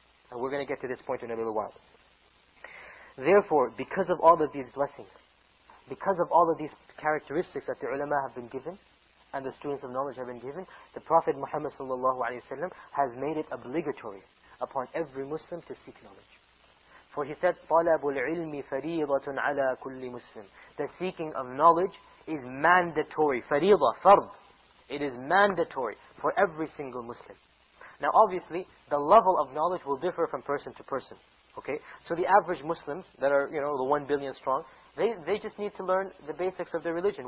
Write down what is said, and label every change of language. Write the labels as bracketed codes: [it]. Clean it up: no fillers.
[en] And we're going to get to this point in a little while. Therefore, because of all of these blessings, because of all of these characteristics that the ulama have been given and the students of knowledge have been given, the Prophet Muhammad sallallahu alaihi wasallam has made it obligatory upon every Muslim to seek knowledge. For he said, [ar] طَلَبُ الْعِلْمِ فَرِيضَةٌ عَلَىٰ كُلِّ مُسْلِمٍ. [en] The seeking of knowledge is mandatory. [ar] فَرِيضَة, فَرْض. [en] It is mandatory for every single Muslim. Now obviously, the level of knowledge will differ from person to person. Okay, so the average Muslims that are, you know, the 1 billion strong, They just need to learn the basics of their religion.